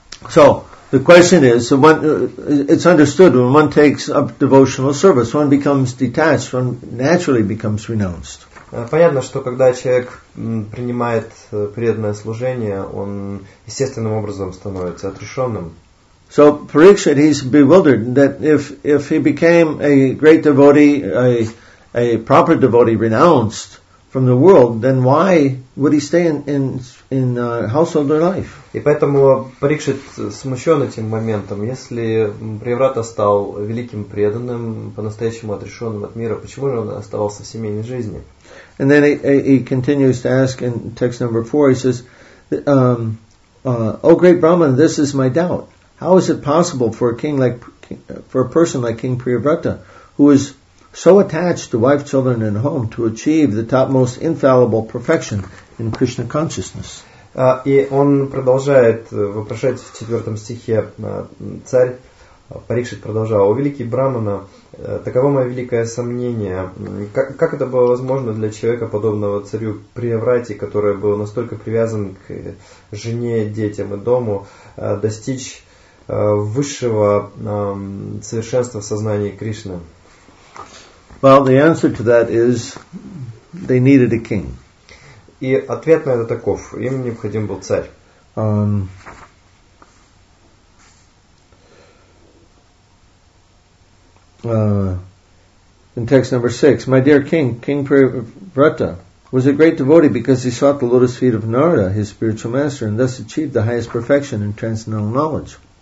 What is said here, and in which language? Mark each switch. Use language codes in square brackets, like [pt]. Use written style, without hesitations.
[en] So the question is: it's understood when one takes up devotional service, one becomes detached, one naturally becomes renounced. [ru] Понятно, что когда человек принимает преданное служение, он естественным образом становится отрешенным. [en] So Parikshit, he's bewildered that if he became a great devotee, a proper devotee, renounced from the world, then why would he stay in household or life? [ru] И поэтому Парикшит смущен этим моментом. Если Приеврата стал великим преданным, по-настоящему отрешенным от мира, почему же он оставался в семейной жизни? [en] And then he continues to ask in text number 4, he says, O great Brahman, this is my doubt. How is it possible for a person like King Priyavrata, who is so attached to wife, children, and home to achieve the topmost infallible perfection in Krishna consciousness. [ru] И он продолжает вопрошать в четвертом стихе, царь Парикшит продолжал, о великий Брахмана, таково мое великое сомнение, как это было возможно для человека, подобного царю Приеврате, который был настолько привязан к жене, детям и дому, достичь высшего совершенства в сознании Кришны? [en] Well, the answer to that is they needed a king. [ru] И ответ на это таков. Им необходим был царь. [en] In text number 6, my dear king, King Priyavrata was a great devotee because he sought the lotus feet of Narada, his spiritual master, and thus achieved the highest perfection in transcendental knowledge.